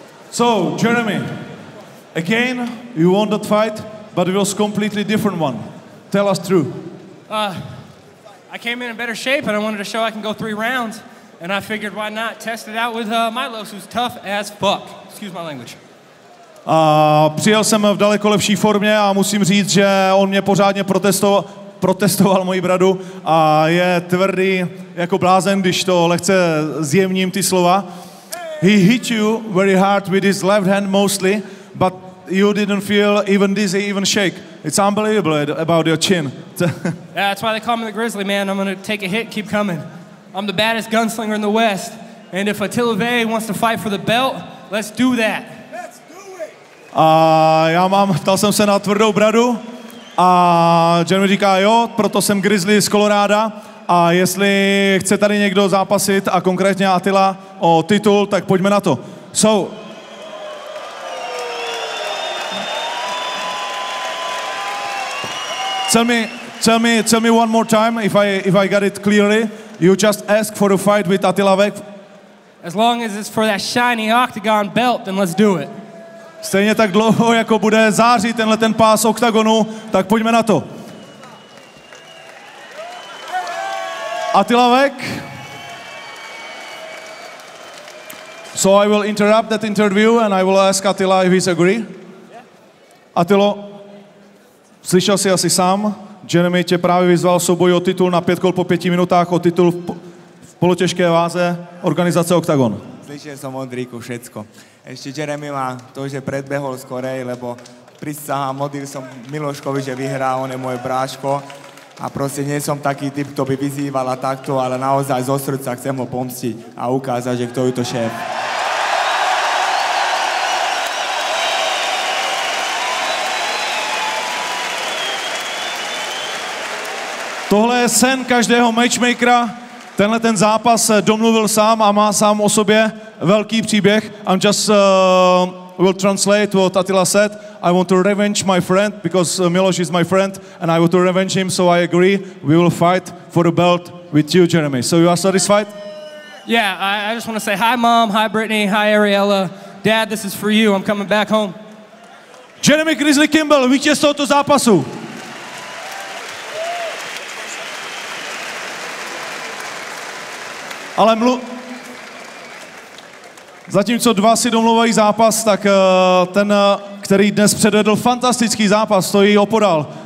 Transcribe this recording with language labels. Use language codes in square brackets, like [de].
[en] So, Jeremy, again, you won that fight, but it was a completely different one. Tell us true. I came in better shape, and I wanted to show I can go three rounds, and I figured why not test it out with Milos, who's tough as fuck. Excuse my language. [cs] Přijel jsem v daleko lepší formě a musím říct, že on mě pořádně protestoval moji bradu a je tvrdý jako blázen, když to lehce zjemním ty slova. [en] He hit you very hard with his left hand mostly, but you didn't feel even dizzy, even shake. It's unbelievable about your chin. Yeah, that's why they call me the Grizzly, man. I'm going to take a hit, keep coming. I'm the baddest gunslinger in the West. And if Attila Vey wants to fight for the belt, let's do that. Let's do it! [cs] Ptal jsem se na tvrdou bradu a Jeremy říká jo, proto jsem Grizzly z Colorado. A jestli chce tady někdo zápasit, a konkrétně Attila, o titul, tak pojďme na to. [en] So... Tell me one more time, if I got it clearly. You just ask for a fight with Attila Vek. As long as it's for that shiny octagon belt, then let's do it. [cs] Stejně tak dlouho, jako bude zářit tenhle ten pás oktagonu, tak pojďme na to. [en] Attila Vek. So I will interrupt that interview and I will ask Attila if he's agree. Yeah. [cs] Attilo, slyšel jsi asi sám, Jeremy tě právě vyzval souboj o titul na 5 kol po 5 minutách, o titul v polotěžké váze organizace Octagon. Slyšel jsem Ondríku všecko. [sk] Ještě Jeremy má to, že predbehol skorej, lebo prisahám, modlil jsem Miloškovi, že vyhrá, on je moje bráško. A proste nie som taký typ, kto by vyzýval a takto, ale naozaj zo srdca chcem ho pomstiť a ukázať, že kto je to šéf. [cs] Tohle je sen každého matchmakera. Tenhle ten zápas domluvil sám a má sám o sobě velký příběh. [en] I'm just will translate what Attila said. I want to revenge my friend because Miloš is my friend and I want to revenge him. So I agree. We will fight for the belt with you, Jeremy. So you are satisfied? Yeah, I just want to say hi, Mom. Hi, Brittany. Hi, Ariella. Dad, this is for you. I'm coming back home. [cs] Jeremy Grizzly Kimball, vítěz tohoto zápasu. Ale zatímco dva si domlouvají zápas, tak ten, který dnes předvedl fantastický zápas, stojí opodál.